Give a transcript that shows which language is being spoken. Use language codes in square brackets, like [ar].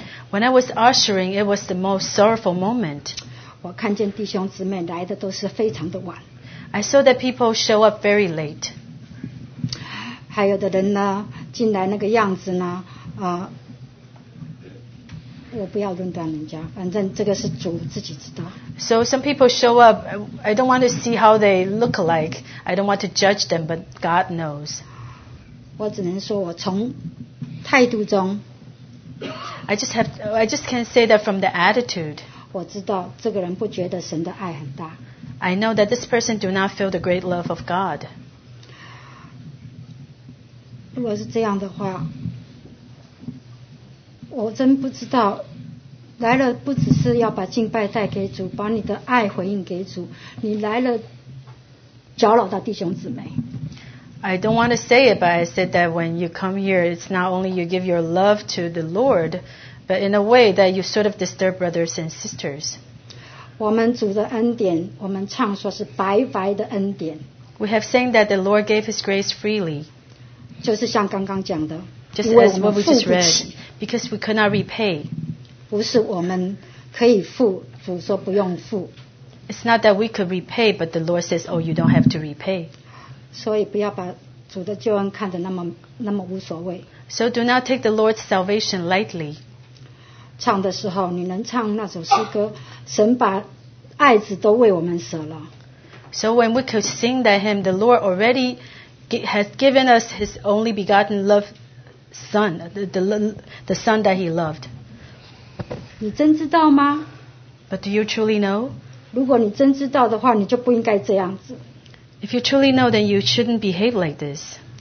[en] when I was ushering, it was the most sorrowful moment. [zh] 我看见弟兄姊妹来的都是非常的晚, [en] I saw that people show up very late. [zh] 还有的人呢, 进来那个样子呢, 我不要论断人家, 反正这个是主自己知道。 [en] So some people show up, I don't want to see how they look like, I don't want to judge them, but God knows. [zh] 我只能说我从态度中, [en] I just can say that from the attitude, [zh] 我知道这个人不觉得神的爱很大。 [en] I know that this person do not feel the great love of God. [zh] 如果是这样的话, 我真不知道, 来了不只是要把敬拜带给主, 把你的爱回应给主, 你来了搅扰到弟兄姊妹。 [en] I don't want to say it, but I said that when you come here, it's not only you give your love to the Lord, but in a way that you sort of disturb brothers and sisters. [zh] 我们主的恩典, 我们唱说是白白的恩典, [en] we have sang that the Lord gave His grace freely. [zh] 就是像刚刚讲的, [en] just as what we just read, because we could not repay. [zh] 不是我们可以付, [en] it's not that we could repay, but the Lord says, oh, you don't have to repay. [zh] 所以不要把主的救恩看得那么无所谓。 [en] So do not take the Lord's salvation lightly. [zh] 唱的时候你能唱那首诗歌, 神把爱子都为我们舍了。 [en] So when we could sing that hymn, the Lord already has given us His only begotten love Son, the Son that He loved. [zh] 你真知道吗? [en] But do you truly know? [zh] 如果你真知道的话, 你就不应该这样子。 [en] If you truly know, then you shouldn't behave like this.